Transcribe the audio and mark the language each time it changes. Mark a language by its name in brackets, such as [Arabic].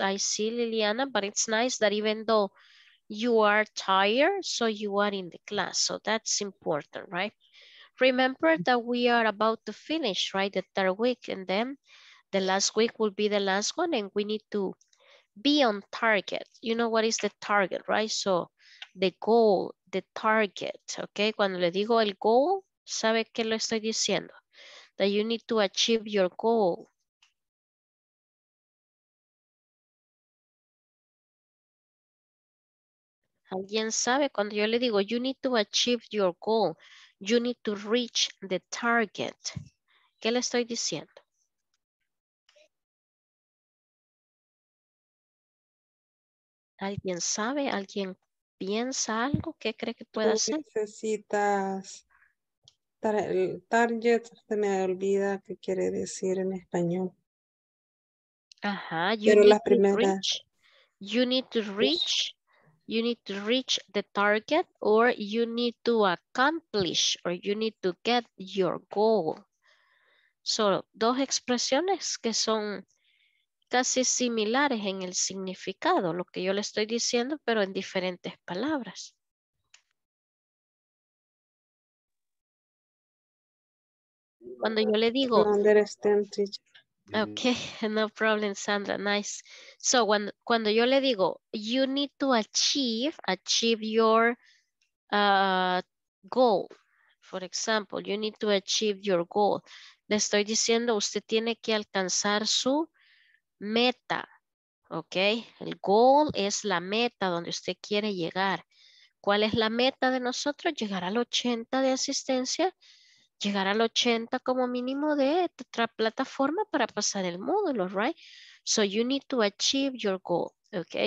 [English] I see, Liliana, but it's nice that even though you are tired, so you are in the class. So that's important, right? Remember that we are about to finish, right? The third week, and then the last week will be the last one, and we need to be on target. You know what is the target, right? So the goal, the target, okay? [Spanish] Cuando le digo el goal, ¿sabe qué lo estoy diciendo? [English] That you need to achieve your goal. [Spanish] ¿Alguien sabe? Cuando yo le digo, [English] you need to achieve your goal, you need to reach the target. [Spanish] ¿Qué le estoy diciendo? ¿Alguien sabe? ¿Alguien piensa algo? ¿Qué cree que puede hacer? Necesitas el target, se me olvida qué quiere decir en español. Ajá, [English] you [Spanish] pero [English] need [Spanish] las primeras... [English] to reach. You need to reach. You need to reach the target, or you need to accomplish, or you need to get your goal. [Spanish] So, dos expresiones que son casi similares en el significado, lo que yo le estoy diciendo, pero en diferentes palabras. Cuando yo le digo... [English] I understand, teacher. Okay, no problem, Sandra, nice. So, [Spanish] cuando yo le digo, [English] you need to achieve your goal. For example, you need to achieve your goal. [Spanish] Le estoy diciendo, usted tiene que alcanzar su meta, ok. El goal es la meta donde usted quiere llegar. ¿Cuál es la meta de nosotros? Llegar al 80 de asistencia, llegar al 80 como mínimo de otra plataforma para pasar el módulo, right? [English] So you need to achieve your goal, ok.